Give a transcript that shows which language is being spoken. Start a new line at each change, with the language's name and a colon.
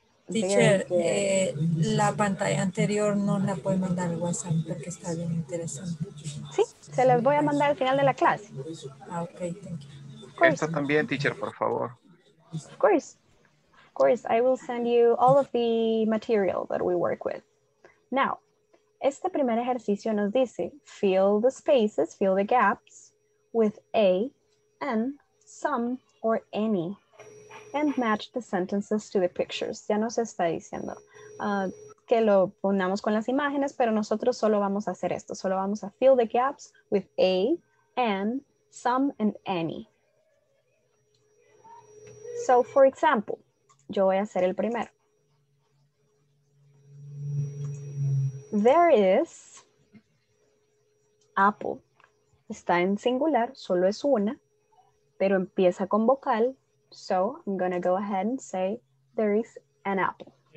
English: Yes, teacher,
Spanish: la pantalla anterior no la puede mandar al WhatsApp porque está bien interesante. Sí, se las voy a mandar al final de la clase.
English: Ah, ok, thank you.
Spanish: Esta también, teacher, por favor.
English: Of course. Of course, I will send you all of the material that we work with. Now,
Spanish: este primer ejercicio nos dice,
English: fill the spaces, fill the gaps with a, an, some, or any, and match the sentences to the pictures.
Spanish: Ya nos está diciendo que lo unamos con las imágenes, pero nosotros solo vamos a hacer esto, solo vamos a
English: fill the gaps with a, an, some, and any. So, for example,
Spanish: yo voy a hacer el primero.
English: There is apple.
Spanish: Está en singular, solo es una, pero empieza con vocal.
English: So I'm going to go ahead and say there is an apple.